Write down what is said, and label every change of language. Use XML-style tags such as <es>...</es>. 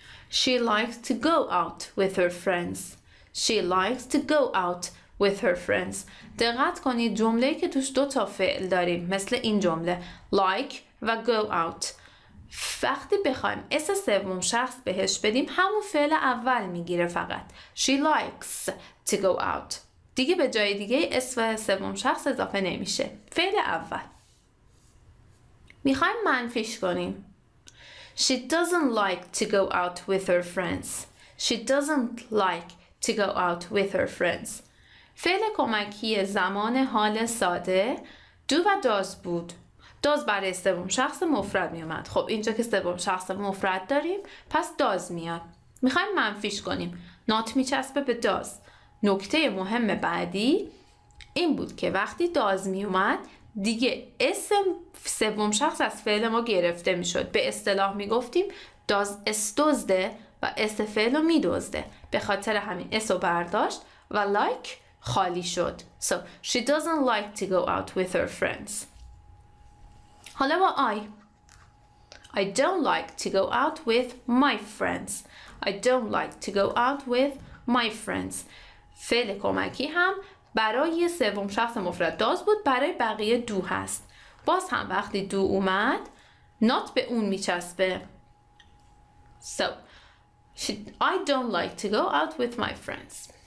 <en>She likes to go out with her friends. She likes to go out with her friends.</en> <fa>دقت کنید جمله‌ای که توش دو تا فعل داریم مثل این جمله like و go out. وقتی بخوایم اس سوم شخص بهش بدیم همون فعل اول میگیره فقط.</fa> <en>She likes to go out.</en> <fa>دیگه به جای دیگه اس و سوم شخص اضافه نمیشه. فعل اول. میخوایم منفیش کنیم.</fa> <en>She doesn't like to go out with her friends. She doesn't like to go out with her friends.</en> <fa>فعل کمکی زمان حال ساده دو و داز بود. داز برای سوم شخص مفرد می اومد. خب اینجا که سوم شخص مفرد داریم پس داز میاد. میخوایم منفیش کنیم. نات میچسبه به داز. نکته مهم بعدی این بود که وقتی داز می اومد دیگه اسم سوم شخص از فعل ما گرفته میشد. به اصطلاح میگفتیم داز استوزده و اس فعل رو میدوزده. به خاطر همین اس رو برداشت و لایک خالی شد.</fa> <en>So, she doesn't like to go out with her friends.</en> <fa>حالا با</fa> <en>I don't like to go out with my friends. I don't like to go out with my friends.</en> <fa>فعل کمکی هم برای سوم شخص مفرد داز بود، برای بقیه دو هست. باز هم وقتی دو اومد not به اون میچسبه.</fa> <en>So, I don't like to go out with my friends.</en>